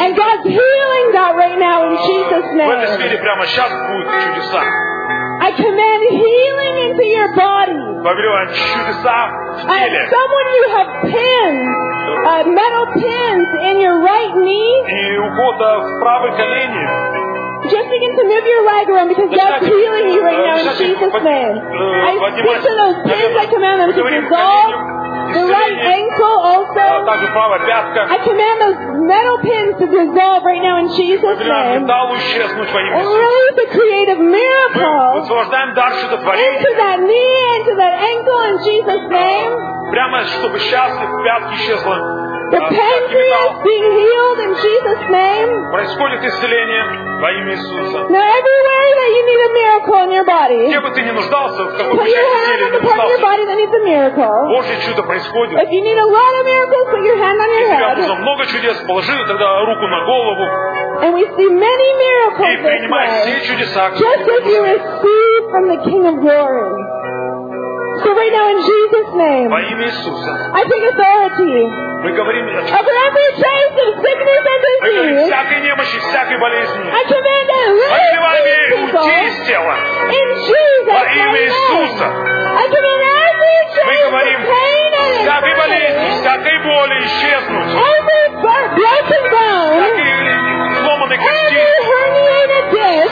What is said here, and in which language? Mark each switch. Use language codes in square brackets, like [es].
[en] And God's healing that right now in Jesus' name. [ru] В этой сфере прямо сейчас будут чудеса. [en] I command healing into your body. [ru] Повелеваем чудеса в теле. [en] And someone you have pins, metal pins in your right knee. [ru] И у кого-то в правой колене. [en] Just begin to move your leg around because God's healing you right now in Jesus' name. I speak to those pins, I command them to dissolve. The right ankle also. I command those metal pins to dissolve right now in Jesus' name. And release the creative miracle into that knee, into that ankle in Jesus' name. The pancreas being healed in Jesus' name. [ru] Происходит исцеление во имя Иисуса. [en] Now everywhere that you need a miracle in your body. [ru] Где бы ты ни нуждался, в какой бы части тела ни нуждался. [en] Put your hand on the part of your body that needs a miracle. [ru] Божье чудо происходит. [en] If you need a lot of miracles, put your hand on your head. [ru] Если тебе нужно много чудес, положи тогда руку на голову. [en] And we see many miracles. [ru] И принимай все чудеса. [en] Just as you receive from the King of Glory. So right now in Jesus' name. [ru] Во имя Иисуса. [en] I take authority. Over every trace of sickness and disease. Every broken bone. Every herniated disc.